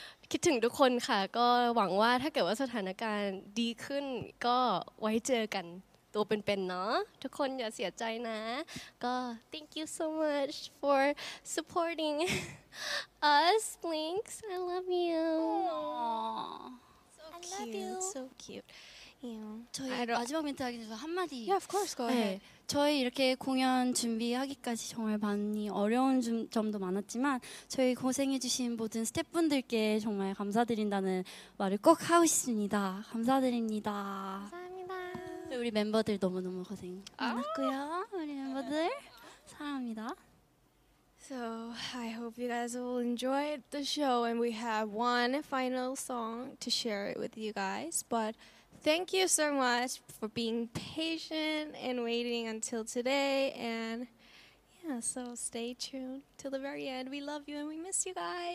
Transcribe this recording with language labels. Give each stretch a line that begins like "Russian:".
Thai: คิดถึงทุกคนค่ะก็หวังว่าถ้าเกิดว่าสถานการณ์ดีขึ้นก็ไว้เจอกันตัวเป็นๆเนาะทุกคนอย่าเสียใจนะก็
English: thank you so much for supporting us Blinks I love you so cute. I love you so cute
Korean: 저희 마지막 멘트 하기 전에 한마디.
English: Yeah, of course, go ahead. 네,
Korean: 저희 이렇게 공연 준비하기까지 정말 많이 어려운 점도 많았지만 저희 고생해주신 모든 스태프분들께 정말 감사드린다는 말을 꼭 하고 싶습니다. 감사드립니다. 감사합니다. 우리 멤버들 너무너무 고생 많았고요. 우리 멤버들 사랑합니다.
English: So I hope you guys all enjoyed the show and we have one final song to share it with you guys. But thank you so much for being patient and waiting until today. And yeah, Yeah, so stay tuned till the very end. We love you and we miss you guys.